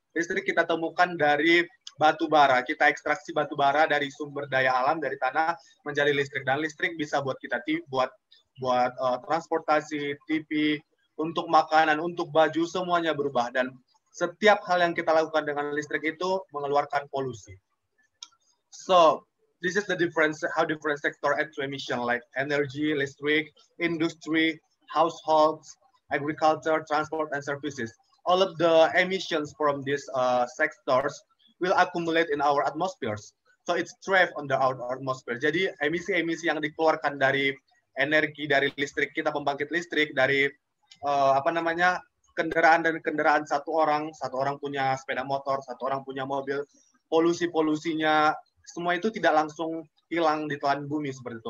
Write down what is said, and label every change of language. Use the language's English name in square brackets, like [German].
[Indonesian] Listrik kita temukan dari batu bara. Kita ekstraksi batu bara dari sumber daya alam, dari tanah, menjadi listrik. Dan listrik bisa buat kita buat transportasi, TV, untuk makanan, untuk baju, semuanya berubah. Dan setiap hal yang kita lakukan dengan listrik itu mengeluarkan polusi. [English] So, this is the difference, how different sector add to emission, like energy, electric, industry, households, agriculture, transport, and services. All of the emissions from these sectors will accumulate in our atmospheres. So it's trapped under our atmosphere. [Indonesian] Jadi emisi-emisi yang dikeluarkan dari energi, dari listrik, kita pembangkit listrik, dari kendaraan dan kendaraan satu orang punya sepeda motor, satu orang punya mobil, polusi-polusinya, semua itu tidak langsung hilang di telan bumi seperti itu.